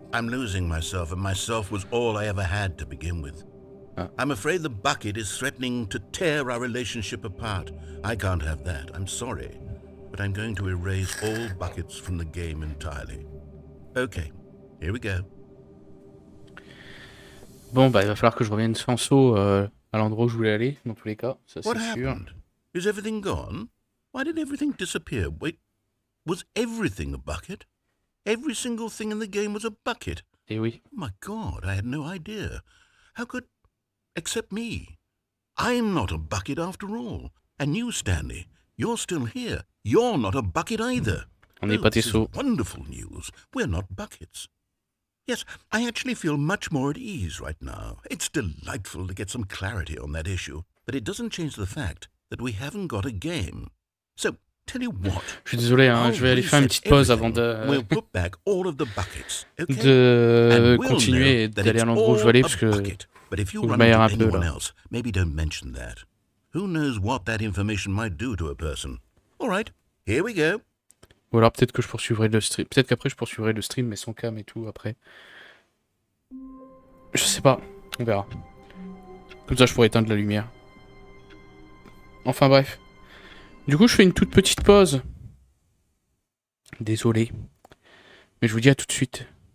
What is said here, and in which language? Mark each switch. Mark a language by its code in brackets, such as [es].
[en] I'm losing myself, and myself was all I ever had to begin with. Ah. I'm afraid the bucket is threatening to tear our relationship apart. I can't have that. I'm sorry. But I'm going to erase all buckets from the game entirely. Okay, here we go. [fr] Bon, bah, il va falloir que je revienne sans seau à l'endroit où je voulais aller, dans tous les cas, ça c'est [en] what [fr] sûr. [en] What happened? Is everything gone? Why did everything disappear? Wait, was everything a bucket? Every single thing in the game was a bucket? [fr] Eh oui. [en] Oh my god, I had no idea. How could... except me. I'm not a bucket after all. And you, Stanley, you're still here. You're not a bucket either. [fr] On n'est pas tes seaux. [en] Wonderful news. We're not buckets. Yes, I actually feel much more at ease right now. It's delightful to get some clarity on that issue, but it doesn't change the fact that we haven't got a game. So, tell you what. [fr] Je suis désolé, hein, je vais aller faire une petite pause avant de [en] we'll put back all of the buckets, okay? [fr] De continuer d'aller à l'endroit où je vais aller parce que [en] but if you run into anyone else, maybe don't mention that. Who knows what that information might do to a person? All right, here we go. [fr] Ou alors peut-être que je poursuivrai le stream. Peut-être qu'après je poursuivrai le stream, mais sans cam et tout après. Je sais pas, on verra. Comme ça je pourrais éteindre la lumière. Enfin bref. Du coup je fais une toute petite pause. Désolé. Mais je vous dis à tout de suite.